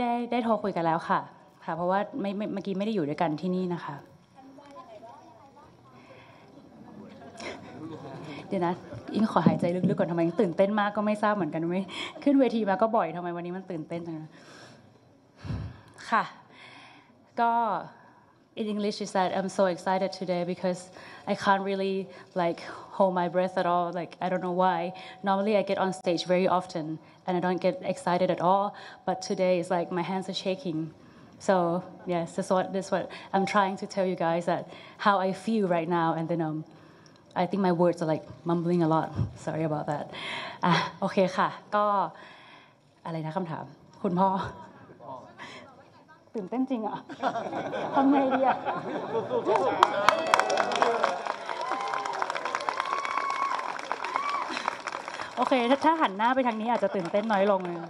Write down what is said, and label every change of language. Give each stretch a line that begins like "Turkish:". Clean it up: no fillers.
Thai: ได้โทรคุยกันแล้วค่ะค่ะเพราะว่าไม่เมื่อกี้ไม่ได้อยู่ด้วยกันที่นี่นะคะเดี๋ยวนะอิงขอหายใจลึกๆก่อนทำไมตื่นเต้นมากก็ไม่ทราบเหมือนกันไม่ขึ้นเวทีมาก็บ่อยทำไมวันนี้มันตื่นเต้นจังค่ะก็
English: In English, she said, "I'm so excited today because I can't really like hold my breath at all. Like I don't know why. Normally, I get on stage very often and I don't get excited at all. But today is like my hands are shaking. So yes, this is what I'm trying to tell you guys that how I feel right now. And then I think my words are like mumbling a lot. Sorry about that.
Thai: Okay, ค่ะก็อะไรนะคำถามคุณพ่อตื่นเต้นจริงอ่ะทำไงดีอ่ะโอเคถ้าหันหน้าไปทางนี้อาจจะตื่นเต้นน้อยลง